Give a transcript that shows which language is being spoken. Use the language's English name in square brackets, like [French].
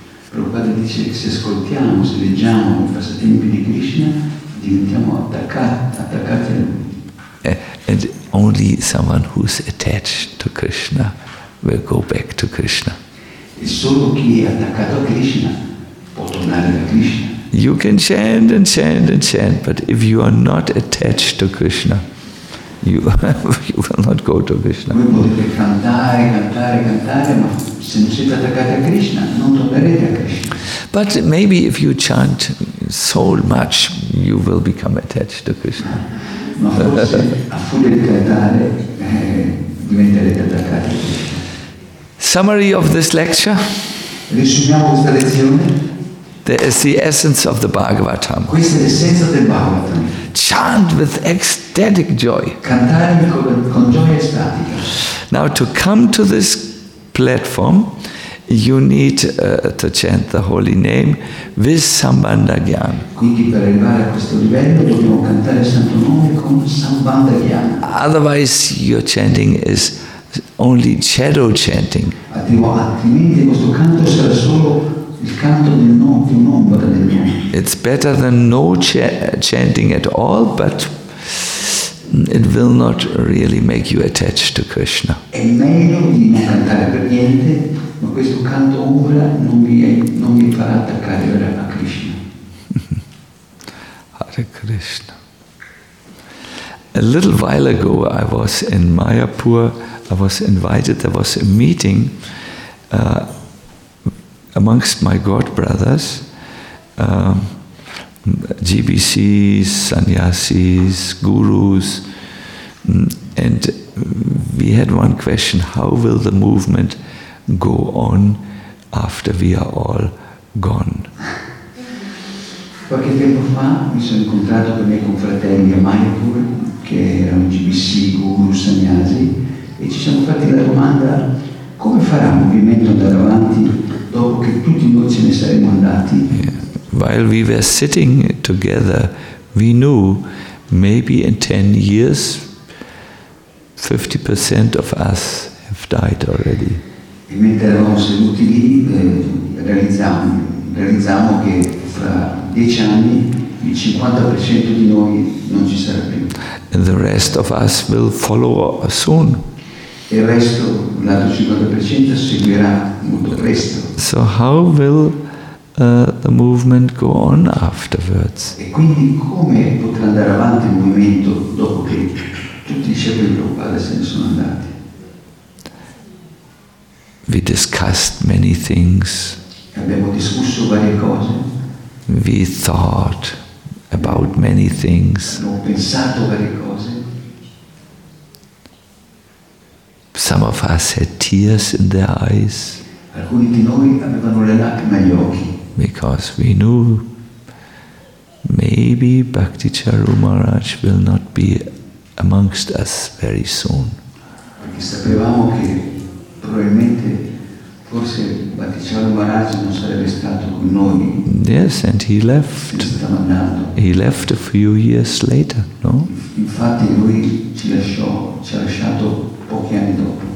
[Italian] Prabhupada dice che se ascoltiamo, se leggiamo i passatempi di Krishna, diventiamo attaccati a lui. [English] And only someone who's attached to Krishna will go back to Krishna. [Italian] E solo chi è attaccato a Krishna può tornare a Krishna. [English] You can chant and chant and chant, but if you are not attached to Krishna, you will not go to Krishna. [Italian] Voi potete cantare, cantare, cantare, ma se non siete attaccati a Krishna, non tornerete a Krishna. [English] But maybe if you chant so much, you will become attached to Krishna. [Italian] Ma forse a furia di cantare diventerete attaccati. [English] Summary of this lecture. [Italian] Risumiamo questa lezione. [English] There is the essence of the Bhagavatam. [Italian] Questa è l'essenza del Bhagavatam. [English] Chant with ecstatic joy. [Italian] Cantare con gioia estatica. [English] Now to come to this platform, you need to chant the holy name with Sambandha Gyan. [Italian] Quindi per arrivare a questo livello dobbiamo cantare il santo nome con Sambandha Gyan. [English] Otherwise your chanting is only shadow chanting. [Italian] Altrimenti questo canto sarà solo il canto del nome, di un'ombra del nome. [English] It's better than no chanting at all, but it will not really make you attached to Krishna. [Italian] È meglio di non cantare per niente, ma questo canto ombra non mi farà attaccare a Krishna. [English] Hare Krishna. A little while ago I was in Mayapur. I was invited, there was a meeting amongst my godbrothers, GBCs, sannyasis, gurus, and we had one question: how will the movement go on after we are all gone? [Italian] Qualche tempo fa mi sono incontrato con i miei confratelli a Mayapur, che era un GBC, guru, sannyasi, e ci siamo fatti la domanda: come farà il movimento andare avanti dopo che tutti noi ce ne saremo andati? [English] Yeah. While we were sitting together, we knew maybe in 10 years 50% of us have died already. [Italian] E mentre eravamo seduti lì, realizziamo che fra 10 anni il 50% di noi non ci sarà più. [English] And the rest of us will follow soon. [Italian] Il resto, l'altro 50%, seguirà molto presto. [English] So how will the movement go on afterwards? [Italian] E quindi come potrà andare avanti il movimento dopo che tutti i discepoli di Prabhupada se ne sono andati? [English] We discussed many things. [Italian] Abbiamo discusso varie cose. [English] We thought about many things. [Italian] Abbiamo pensato varie cose. [English] Some of us had tears in their eyes. [Italian] Alcuni di noi avevano le lacrime agli occhi. [English] Because we knew maybe Bhakti Charu Maharaj will not be amongst us very soon. [Italian] Perché sapevamo che probabilmente forse Bhakti Charu Maharaj non sarebbe stato con noi. [English] Yes, and he left. He left a few years later, no? [Italian] Infatti lui ci ha lasciato pochi anni dopo.